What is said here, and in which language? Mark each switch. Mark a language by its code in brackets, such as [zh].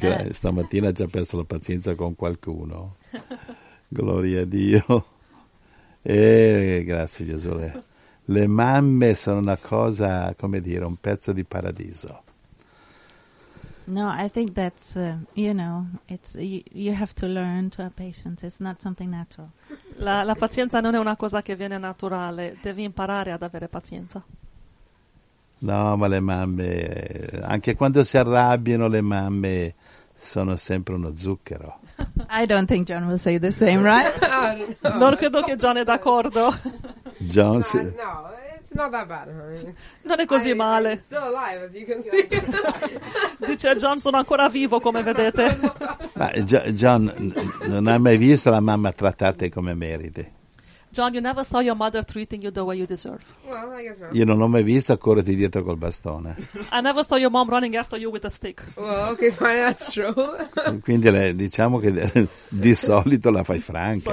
[it] Stamattina ha già perso la pazienza con qualcuno. Gloria a Dio. Grazie Gesù. Le mamme sono una cosa, come dire, un pezzo di paradiso. [en] No, I think that's it's you have to learn to have patience. It's not something natural. [it] La pazienza non è una cosa che viene naturale. Devi imparare ad avere pazienza. No, ma le mamme, anche quando si arrabbiano, le mamme sono sempre uno zucchero. [en] I don't think John will say the same, right? [it] No, non credo che John è d'accordo. John, [en] no, it's not that bad. [it] Non è così male. [en] I'm still alive, as you can see. [it] Dice John, sono ancora vivo, come vedete. Ma John, non hai mai visto la mamma trattarti come meriti? [en] John, you never saw your mother treating you the way you deserve. Well, I guess [it] not. Io non ho mai visto correrti dietro col bastone. [en] I never saw your mom running after you with a stick. Well, okay, fine, that's true. [it] Quindi diciamo che di solito la fai franca.